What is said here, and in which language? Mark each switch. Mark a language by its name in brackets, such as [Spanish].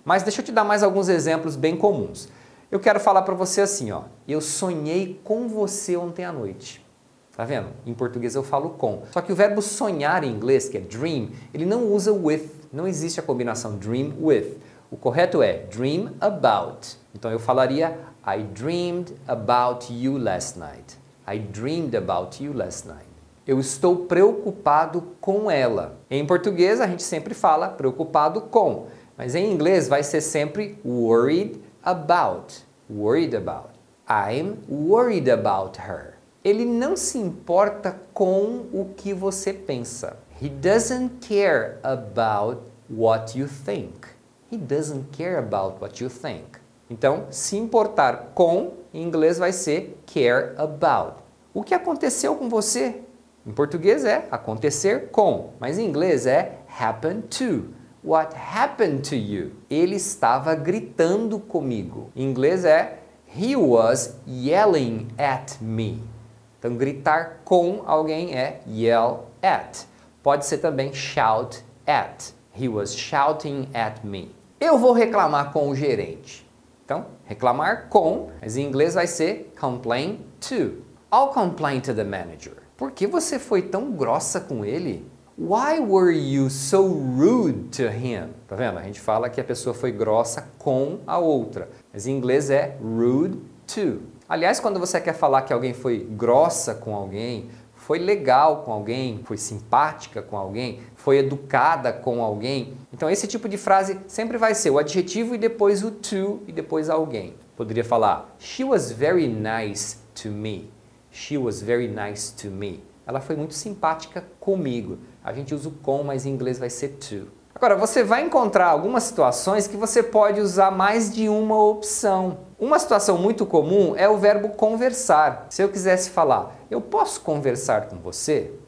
[Portuguese] Mas deixa eu te dar mais alguns exemplos bem comuns. Eu quero falar para você assim, ó. Eu sonhei com você ontem à noite. Tá vendo? Em português eu falo com. Só que o verbo sonhar em inglês, que é dream, ele não usa with. Não existe a combinação dream with. O correto é dream about. Então eu falaria [English] I dreamed about you last night. I dreamed about you last night. [Portuguese] Eu estou preocupado com ela. Em português, a gente sempre fala preocupado com. Mas em inglês, vai ser sempre worried about. Worried about. [English] I'm worried about her. [Portuguese] Ele não se importa com o que você pensa. [English] He doesn't care about what you think. He doesn't care about what you think. [Portuguese] Então, se importar com, em inglês vai ser care about. O que aconteceu com você? Em português é acontecer com, mas em inglês é happen to. [English] What happened to you? [Portuguese] Ele estava gritando comigo. Em inglês é [English] he was yelling at me. [Portuguese] Então, gritar com alguém é yell at. Pode ser também [English] shout at. He was shouting at me. [Portuguese] Eu vou reclamar com o gerente. Então, reclamar com, mas em inglês vai ser complain to. [English] I'll complain to the manager. [Portuguese] Por que você foi tão grossa com ele? [English] Why were you so rude to him? [Portuguese] Tá vendo? A gente fala que a pessoa foi grossa com a outra. Mas em inglês é rude to. Aliás, quando você quer falar que alguém foi grossa com alguém, foi legal com alguém, foi simpática com alguém, foi educada com alguém, então esse tipo de frase sempre vai ser o adjetivo e depois o to e depois alguém. Poderia falar, [English] she was very nice to me. She was very nice to me. [Portuguese] Ela foi muito simpática comigo. A gente usa o com, mas em inglês vai ser to. Agora, você vai encontrar algumas situações que você pode usar mais de uma opção. Uma situação muito comum é o verbo conversar. Se eu quisesse falar, eu posso conversar com você?